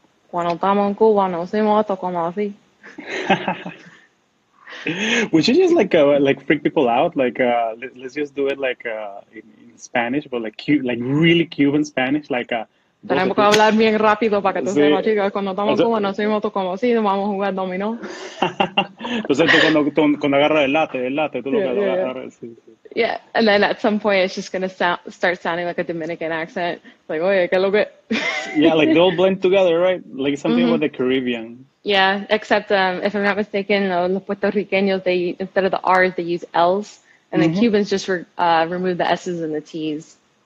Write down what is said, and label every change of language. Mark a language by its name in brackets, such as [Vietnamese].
[Spanish] Cuando estamos en Cuba, no hacemos esto como así. [English] Would you just like freak people out? Let's just do it in Spanish, but like really Cuban Spanish. [Spanish] Tenemos que hablar bien rápido para que tú sepas, chicos. Cuando estamos en Cuba, no hacemos esto como así, vamos a jugar dominó. Entonces tú cuando agarras el late, tú lo que agarras. [English] Yeah, and then at some point it's just gonna start sounding like a Dominican accent, like [Spanish] oye, que lo que. [English] Yeah, like they all blend together, right? Like something with the Caribbean. Yeah, except if I'm not mistaken, [Spanish] los puertorriqueños, [English] they instead of the R's they use L's, and the Cubans just remove the S's and the T's.